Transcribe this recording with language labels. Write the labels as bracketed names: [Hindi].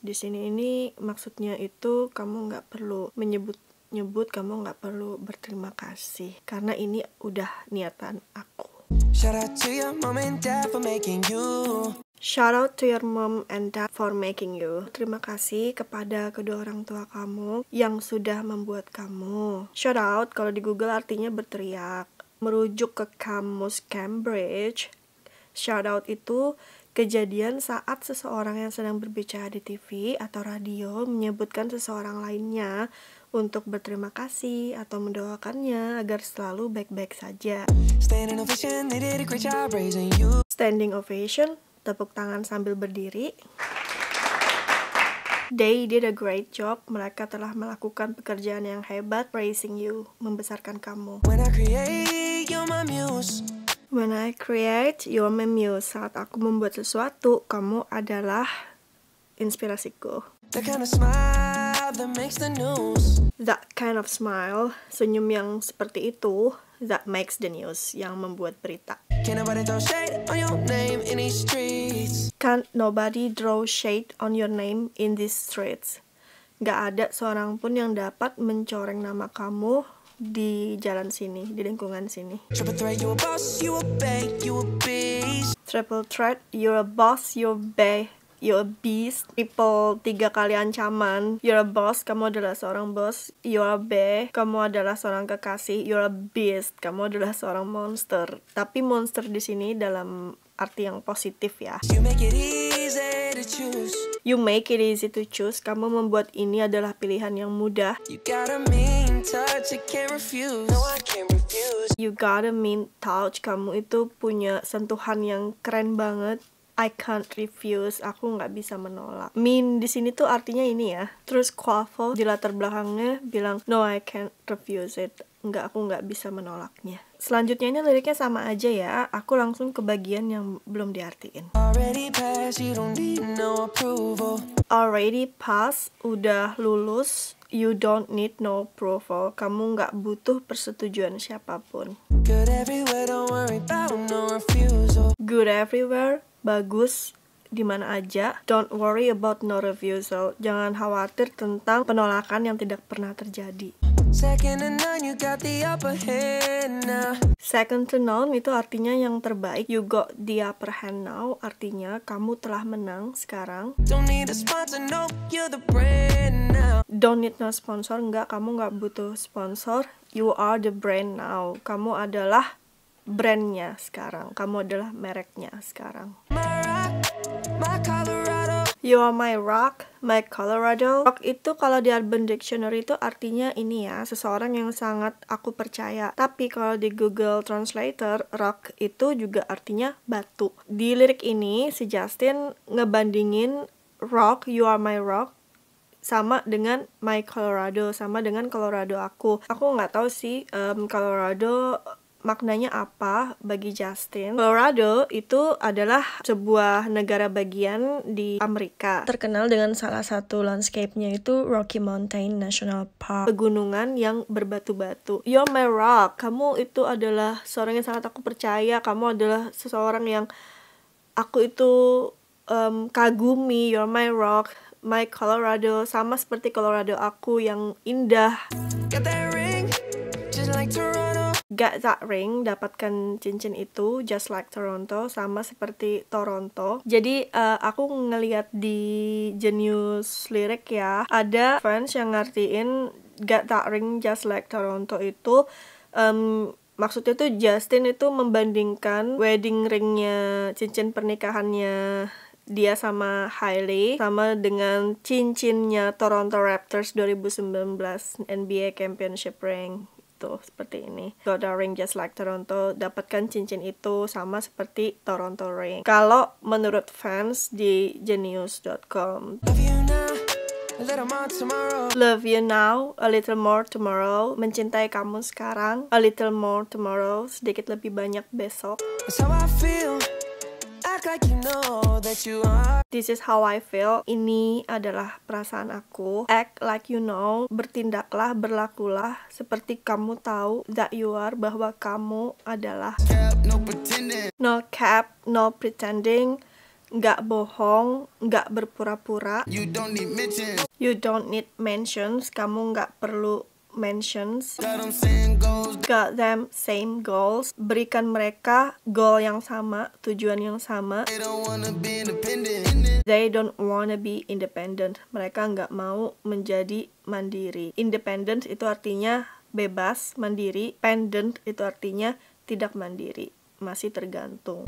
[Indonesian] Di sini ini maksudnya itu kamu enggak perlu menyebut-nyebut, kamu enggak perlu berterima kasih karena ini udah niatan aku. [English] Shout out to your mom and dad for making you. Shout out to your mom and dad for making you. [Indonesian] Terima kasih kepada kedua orang tua kamu yang sudah membuat kamu. [English] Shout out [Indonesian] kalau di Google artinya berteriak. Merujuk ke Kamus Cambridge, [English] shout out itu [Indonesian] kejadian saat seseorang yang sedang berbicara di TV atau radio menyebutkan seseorang lainnya untuk berterima kasih atau mendoakannya agar selalu baik-baik saja. [English] Standing ovation, they did a great job raising you. Standing ovation, [Indonesian] tepuk tangan sambil berdiri. [English] They did a great job. [Indonesian] Mereka telah melakukan pekerjaan yang hebat, [English] raising you, [Indonesian] membesarkan kamu. [English] When I create, you're my muse. When I create, you're my muse. [Indonesian] Saat aku membuat sesuatu, kamu adalah inspirasiku. [English] The kind of smile that makes the news. That kind of smile, [Indonesian] senyum yang seperti itu, [English] that makes the news, [Indonesian] yang membuat berita. [English] Can't nobody throw shade on your name in these streets. Can't nobody throw shade on your name in these streets. [Indonesian] Gak ada seorang pun yang dapat mencoreng nama kamu di jalan sini, di lingkungan sini. [English] Triple threat, you a boss, you a bae, you a beast. Triple threat, you're a boss, you're bae, you're a beast. Triple, [Indonesian] tiga kali ancaman. [English] You're a boss, [Indonesian] kamu adalah seorang boss. [English] You're a bae, [Indonesian] kamu adalah seorang kekasih. [English] You're a beast, [Indonesian] kamu adalah seorang monster. Tapi monster di sini dalam arti yang positif ya. [English] You make it easy to choose. You make it easy to choose. [Indonesian] Kamu membuat ini adalah pilihan yang mudah. [English] You got a mean touch, you can't refuse. No, I can't refuse. You got a mean touch. [Indonesian] Kamu itu punya sentuhan yang keren banget. [English] I can't refuse. [Indonesian] Aku nggak bisa menolak. Mean di sini tuh artinya ini ya. Terus Quavo di latar belakangnya bilang, [English] no, I can't refuse it. [Indonesian] Nggak, aku nggak bisa menolaknya. Selanjutnya ini liriknya sama aja ya. Aku langsung ke bagian yang belum diartiin. [English] Already passed, you don't need no approval. Already passed, [Indonesian] udah lulus. [English] You don't need no approval. [Indonesian] Kamu nggak butuh persetujuan siapapun. [English] Good everywhere, don't worry about no refusal. Good everywhere, [Indonesian] bagus di mana aja. [English] Don't worry about no refusal. [Indonesian] Jangan khawatir tentang penolakan yang tidak pernah terjadi. [English] Second to none, you got the upper hand now. Second to none [Indonesian] itu artinya yang terbaik. [English] You got the upper hand now, [Indonesian] artinya kamu telah menang sekarang. [English] Don't need a sponsor, no, you're the brand now. Don't need no sponsor, [Indonesian] enggak, kamu enggak butuh sponsor. [English] You are the brand now. [Indonesian] Kamu adalah brandnya sekarang. Kamu adalah mereknya sekarang. [English] My rock, my Colorado. You are my rock, my Colorado. [Indonesian] Rock itu kalau di Urban Dictionary itu artinya ini ya, seseorang yang sangat aku percaya. Tapi kalau di Google Translator, rock itu juga artinya batu. Di lirik ini, si Justin ngebandingin rock, [English] you are my rock, [Indonesian] sama dengan my Colorado, sama dengan Colorado aku. Aku nggak tahu sih Colorado maknanya apa bagi Justin. Colorado itu adalah sebuah negara bagian di Amerika. Terkenal dengan salah satu landscape-nya itu Rocky Mountain National Park. Pegunungan yang berbatu-batu. [English] You're my rock. [Indonesian] Kamu itu adalah seorang yang sangat aku percaya. Kamu adalah seseorang yang aku itu kagumi. [English] You're my rock. My Colorado. [Indonesian] Sama seperti Colorado aku yang indah. [English] Get that ring, just like Toronto. Got that ring, [Indonesian] dapatkan cincin itu, [English] just like Toronto, [Indonesian] sama seperti Toronto. Jadi aku ngelihat di Genius lirik ya, ada fans yang ngertiin [English] got that ring just like Toronto [Indonesian] itu maksudnya tuh Justin itu membandingkan wedding ringnya, cincin pernikahannya dia sama Hailey, sama dengan cincinnya Toronto Raptors 2019 NBA Championship ring. Tuh, seperti ini. [English] Got a ring just like Toronto. [Indonesian] Dapatkan cincin itu sama seperti Toronto ring. Kalau menurut fans di genius.com. [English] Love you now, a little more tomorrow. Love you now, a little more tomorrow. [Indonesian] Mencintai kamu sekarang, [English] a little more tomorrow. [Indonesian] Sedikit lebih banyak besok. [English] That's how I feel. Act like you know that you are. This is how I feel. [Indonesian] Ini adalah perasaan aku. [English] Act like you know. [Indonesian] Bertindaklah, berlakulah seperti kamu tahu. [English] That you are, [Indonesian] bahwa kamu adalah. [English] Cap, no pretending. No cap, no pretending. [Indonesian] Gak bohong, gak berpura-pura. [English] You don't need mentions. You don't need mentions. [Indonesian] Kamu gak perlu mentions. [English] Got them same goals. [Indonesian] Berikan mereka goal yang sama, tujuan yang sama. [English] They don't wanna be independent. They don't wanna be independent. [Indonesian] Mereka enggak mau menjadi mandiri. Independent itu artinya bebas, mandiri. Pendant itu artinya tidak mandiri, masih tergantung.